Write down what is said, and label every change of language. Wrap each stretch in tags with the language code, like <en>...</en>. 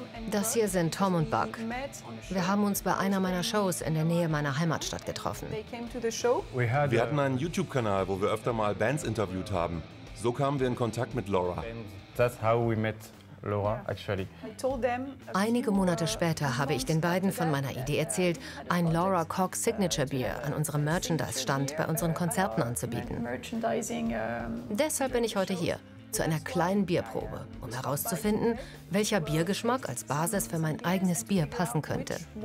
<de>Das hier sind Tom und Buck. Wir haben uns bei einer meiner Shows in der Nähe meiner Heimatstadt getroffen. Wir hatten einen YouTube-Kanal, wo wir öfter mal Bands interviewt haben. So kamen wir in Kontakt mit Laura.</de> <en>That's how we met Laura, actually.</en> <de>Einige Monate später habe ich den beiden von meiner Idee erzählt, ein Laura Cox Signature Beer an unserem Merchandise-Stand bei unseren Konzerten anzubieten. Deshalb bin ich heute hier, zu einer kleinen Bierprobe, um herauszufinden, welcher Biergeschmack als Basis für mein eigenes Bier passen könnte.</de>